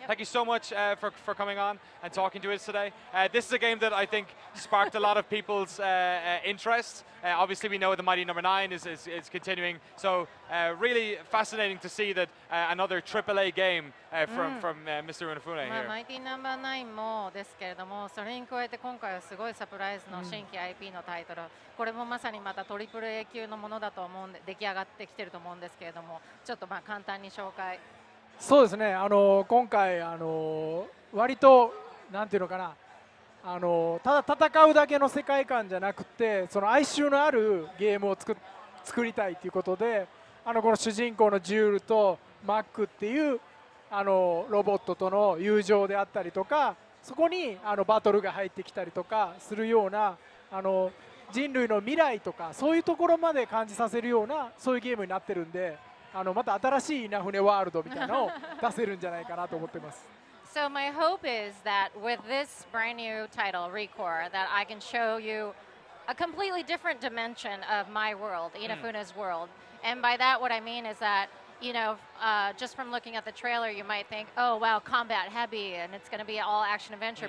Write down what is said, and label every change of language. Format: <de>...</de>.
<en>Thank you so much for coming on and talking to us today. This is a game that I think sparked a lot of people's interest. Obviously, we know the Mighty No. 9 is continuing, so really fascinating to see that another AAA game from Mr. Inafune here. Mighty No.</en> <ja>9 もですけれども、それに加えて今回はすごいサプライズの新規 IP のタイトル。これもまさにまた AAA 級のものだと思うんで、出来上がってきてると思うんですけれども、ちょっとまあ簡単に紹介。そうですね。今回割となんていうのかな。ただ戦うだけの世界観じゃなくて、その哀愁のあるゲームを作りたいということで、この主人公のジュールとマックっていうロボットとの友情であったりとか、そこにバトルが入ってきたりとかするような人類の未来とか、そういうところまで感じさせるような、そういうゲームになってるんで、また新しいイナフネワールドみたいなのを出せるんじゃないかなと思ってます。</ja> <en>So my hope is that with this brand new title, ReCore, that I can show you a completely different dimension of my world, Inafune's world. And by that, what I mean is that, just from looking at the trailer, you might think, oh, wow, combat heavy, and it's going to be all action-adventure.</en>